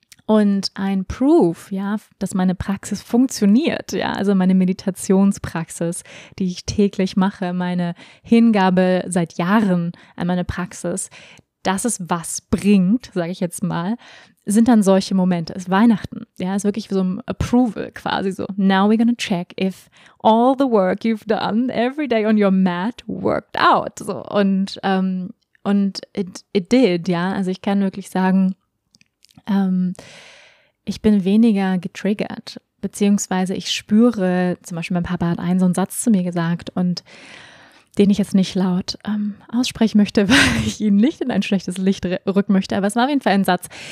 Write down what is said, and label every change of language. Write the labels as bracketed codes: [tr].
[de] Und ein Proof, ja, dass meine Praxis funktioniert, ja, also meine Meditationspraxis, die ich täglich mache, meine Hingabe seit Jahren an meine Praxis, dass es was bringt, sage ich jetzt mal, sind dann solche Momente. Es ist Weihnachten, ja, es ist wirklich so ein Approval quasi so. [en] Now we're gonna check if all the work you've done every day on your mat worked out. [de] So, und [en] it did, [de] ja, also ich kann wirklich sagen, ich bin weniger getriggert, beziehungsweise ich spüre, zum Beispiel mein Papa hat einen so einen Satz zu mir gesagt und den ich jetzt nicht laut aussprechen möchte, weil ich ihn nicht in ein schlechtes Licht rücken möchte, aber es war auf jeden Fall ein Satz.